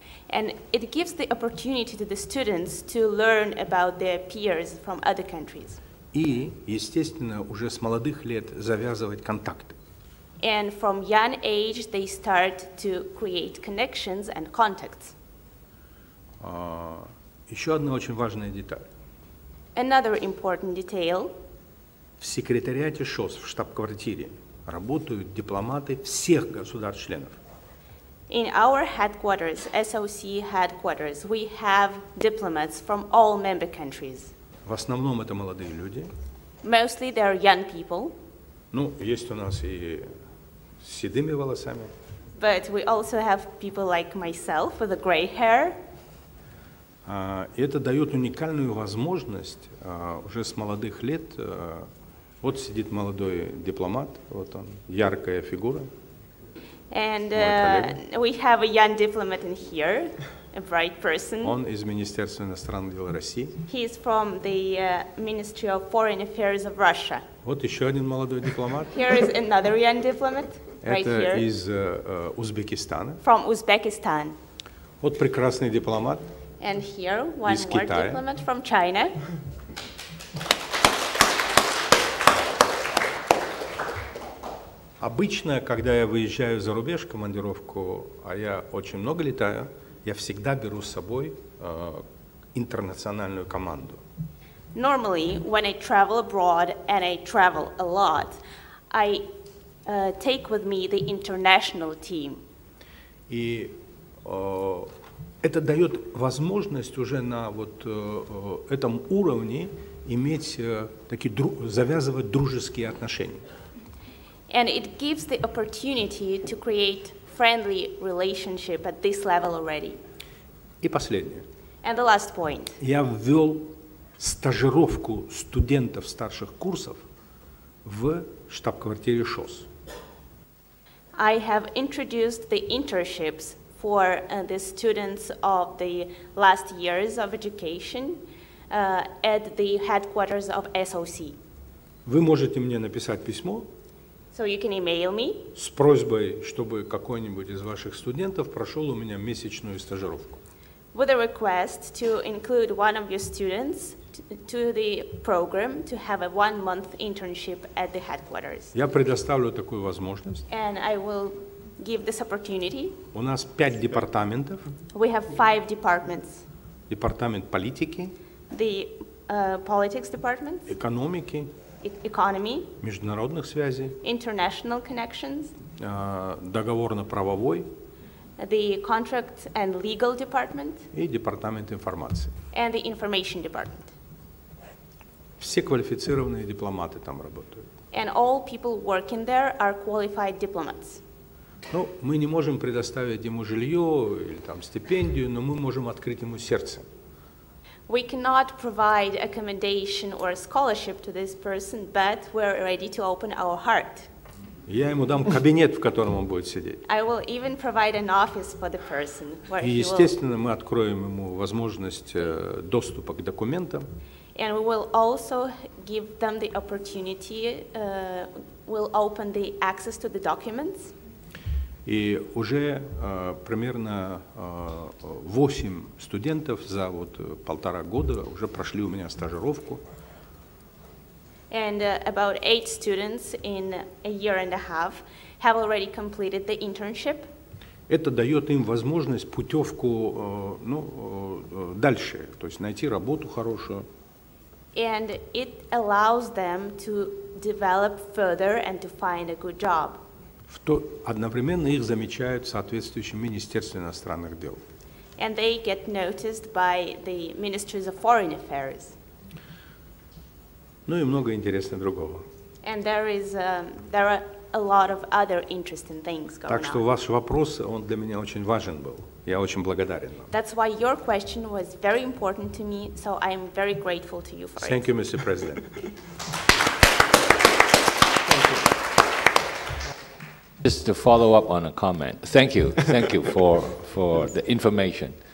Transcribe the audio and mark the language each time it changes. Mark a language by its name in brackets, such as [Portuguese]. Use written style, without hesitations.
[English] And it gives the opportunity to the students to learn about their peers from other countries. [Russian] И, естественно, уже с молодых лет завязывать контакты. [English] And from young age they start to create connections and contacts. [Russian] Еще одна очень важная деталь. [English] Another important detail. [Russian] В секретариате ШОС, в штаб-квартире, работают дипломаты всех государств-членов. [English] In our headquarters, SOC headquarters, we have diplomats from all member countries. [Russian] В основном это молодые люди. [English] Mostly they are young people. [Russian] Ну, есть у нас и с седыми волосами. [English] But we also have people like myself with a gray hair. [Russian] И это дает уникальную возможность уже с молодых лет. Вот сидит молодой дипломат, вот он, яркая фигура. [English] And we have a young diplomat in here, a bright person. [Russian] Он из Министерства иностранных дел России. [English] He is from the Ministry of Foreign Affairs of Russia. [Russian] Вот еще один молодой дипломат. [English] Here is another young diplomat. [Russian] Это [English] right here. [Russian] Из Узбекистана. [English] From Uzbekistan. [Russian] Вот прекрасный дипломат. [English] And here one more Китая. Diplomat from China. [Russian] Обычно, когда я выезжаю за рубеж в командировку, а я очень много летаю, я всегда беру с собой интернациональную команду. [English] Normally, when I travel abroad and I travel a lot, I take with me the international team. [Russian] И это дает возможность уже на вот этом уровне иметь такие завязывать дружеские отношения. [English] And it gives the opportunity to create friendly relationship at this level already. [Russian] И последнее. [English] And the last point. [Russian] Я ввел стажировку студентов старших курсов в штаб-квартире ШОС. [English] I have introduced the internships for the students of the last years of education at the headquarters of SOC. [Russian] Вы можете мне написать письмо. [English] So you can email me. [Russian] С просьбой, чтобы какой-нибудь из ваших студентов прошел у меня месячную стажировку. [English] With a request to include one of your students to the program to have a one-month internship at the headquarters. [Russian] Я предоставлю такую возможность. [English] And I will give this opportunity. [Russian] У нас 5 департаментов. [English] We have 5 departments. [Russian] Департамент политики. [English] The politics department. [Russian] Экономики. [English] Economy. [Russian] Международных связей. [English] International connections. [Russian] Договорно-правовой. [English] The contract and legal department. [Russian] И департамент информации. [English] And the information department. [Russian] Все квалифицированные дипломаты там работают. [English] And all people working there are qualified diplomats. [Russian] Ну, мы не можем предоставить ему жилье или там стипендию, но мы можем открыть ему сердце. [English] We cannot provide accommodation or scholarship to this person, but we're ready to open our heart. [Russian] Я ему дам кабинет, в котором он будет сидеть. [English] I will even provide an office for the person where he will. [Russian] И, естественно, мы откроем ему возможность доступа к документам. [English] And we will also give them the opportunity, we'll open the access to the documents. [Russian] И уже примерно 8 студентов за вот полтора года уже прошли у меня стажировку. [English] And about 8 students in a year and a half have already completed the internship. [Russian] Это дает им возможность путевку, ну, дальше, то есть найти работу хорошую. [English] And it allows them to develop further and to find a good job. [Russian] Одновременно их замечают в соответствующем Министерстве иностранных дел. [English] And they get noticed by the Ministries of Foreign Affairs. [Russian] Ну и много интересного другого. [English] And there is there are a lot of other interesting things going on. [Russian] Так что ваш вопрос, он для меня очень важен был. Я очень благодарен вам. [English] That's why your question was very important to me, so I am very grateful to you for Thank you, Mr. President. Just to follow up on a comment. Thank you for the information.